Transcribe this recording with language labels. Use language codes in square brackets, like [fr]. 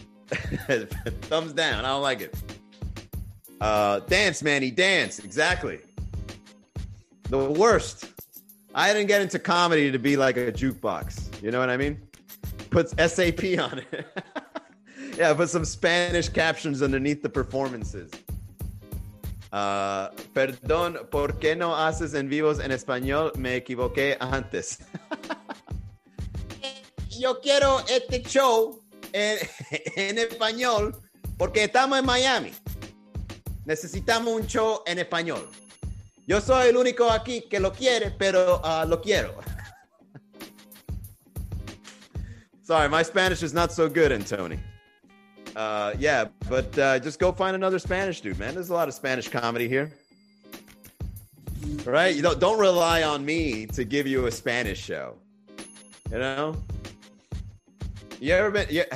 [en] Thumbs down. I don't like it. Dance, Manny. Dance. Exactly. The worst. I didn't get into comedy to be like a jukebox. You know what I mean? Put SAP on it. Yeah, put some Spanish captions underneath the performances. [es] Perdón, ¿por qué no haces en vivos en español? Me equivoqué antes. Yo quiero este show en español porque estamos en Miami. Necesitamos un show en español. Yo soy el único aquí que lo quiere, pero lo quiero. [en] Sorry, my Spanish is not so good, Antoni. Yeah, but just go find another Spanish dude, man. There's a lot of Spanish comedy here. Right? You don't rely on me to give you a Spanish show. You know? You ever been?